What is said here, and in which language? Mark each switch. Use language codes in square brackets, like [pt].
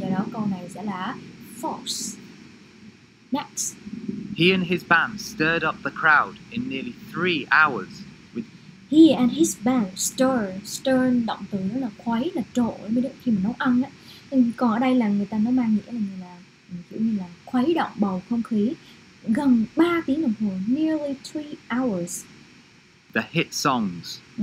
[vi] Do đó câu này sẽ là false. [en] Next. He and his band stirred up the crowd in nearly 3 hours. He and his band stir, [vi] động từ nó là khuấy, là trộn mới được khi mà nấu ăn á. Còn ở đây là người ta nó mang nghĩa là kiểu như là khuấy động bầu không khí gần 3 tiếng đồng hồ, [en] nearly 3 hours. The hit songs.